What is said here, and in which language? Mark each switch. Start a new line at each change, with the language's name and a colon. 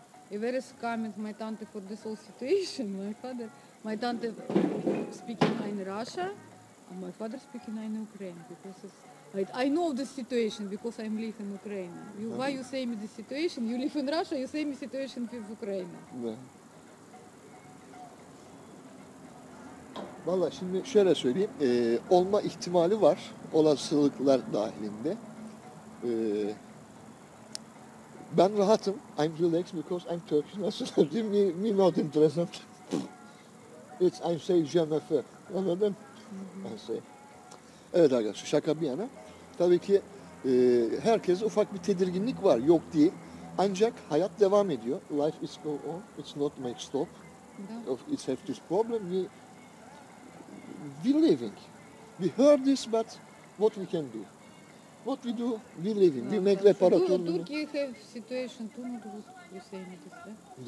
English: If there is coming my tante for this whole situation, my father, my tante speaking in Russia, and my father speaking in Ukraine because it's, I know the situation because I'm live in Ukraine. You, why you say me the situation? You live in Russia, you say me situation with Ukraine.
Turkish: Valla şimdi şöyle söyleyeyim, olma ihtimali var, olasılıklar dahilinde. Ben rahatım,
English: I'm relaxed because I'm Turkish national, me not in present. It's I'm say JMF'e,
Turkish: anladın?
English: I'm say.
Turkish: Evet arkadaşlar, şaka bir yana. Tabii ki herkes ufak bir tedirginlik var, yok değil. Ancak hayat devam ediyor.
English: Life is go on, it's not make stop. It's have this problem, we living. We heard this, but what we can do? What we do? We living. We make reparatur. Turkey have situation too much. You say it is.